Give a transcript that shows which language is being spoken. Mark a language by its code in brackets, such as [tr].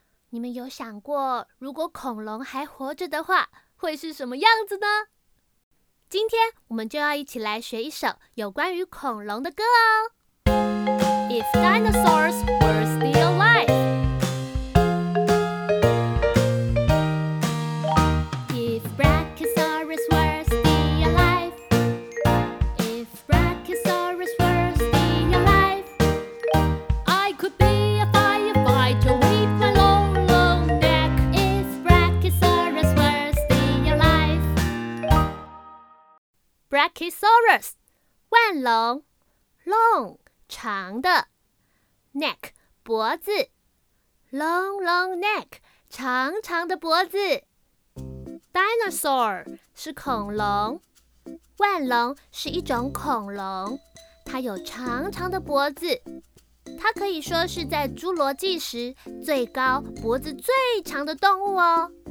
[zh] 你们有想过，如果恐龙还活着的话，会是什么样子呢？今天我们就要一起来学一首有关于恐龙的歌哦。 [en] If dinosaurs were still alive, if brachiosaurus were still alive, if brachiosaurus were still alive, I could be a firefighter with my long, long neck. If brachiosaurus were still alive, brachiosaurus, 万龙 long. [zh] 长的 neck 脖子 [en] long long neck [zh] 长长的脖子 dinosaur 是恐龙，万龙是一种恐龙，它有长长的脖子，它可以说是在侏罗纪时最高脖子最长的动物哦。